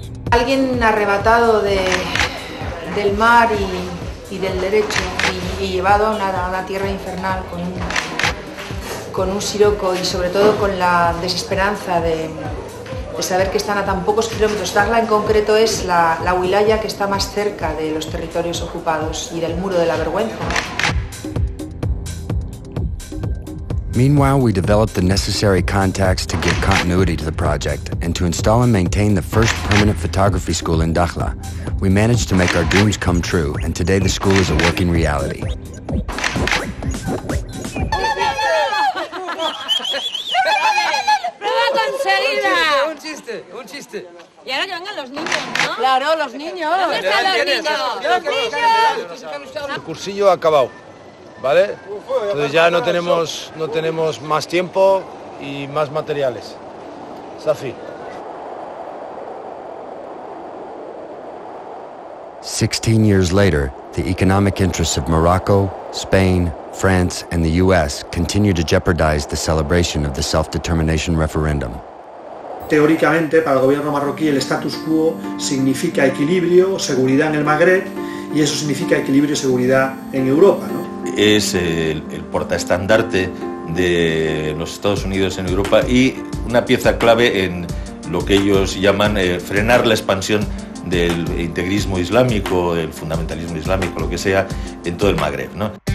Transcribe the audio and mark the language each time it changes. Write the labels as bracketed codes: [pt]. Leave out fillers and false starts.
[es] Alguien arrebatado del mar y del derecho y llevado a una tierra infernal con un siroco y sobre todo con la desesperanza de saber que están a tan pocos kilómetros. Dakhla en concreto es la wilaya que está más cerca de los territorios ocupados y del muro de la vergüenza. [en] Meanwhile, we developed the necessary contacts to give continuity to the project and to install and maintain the first permanent photography school in Dakhla. We managed to make our dreams come true, and today the school is a working reality. [es] Y ahora que vengan los niños, ¿no? Claro, los niños. ¿Dónde están los niños? ¡Los niños! El cursillo ha acabado, ¿vale? Entonces ya no tenemos más tiempo y más materiales. Safi. [en] 16 years later, the economic interests of Morocco, Spain, France, and the U.S. continue to jeopardize the celebration of the self-determination referendum. [es] Teóricamente, para el gobierno marroquí, el status quo significa equilibrio, seguridad en el Magreb, y eso significa equilibrio y seguridad en Europa, ¿no? Es el portaestandarte de los Estados Unidos en Europa y una pieza clave en lo que ellos llaman frenar la expansión del integrismo islámico, el fundamentalismo islámico, lo que sea, en todo el Magreb, ¿no?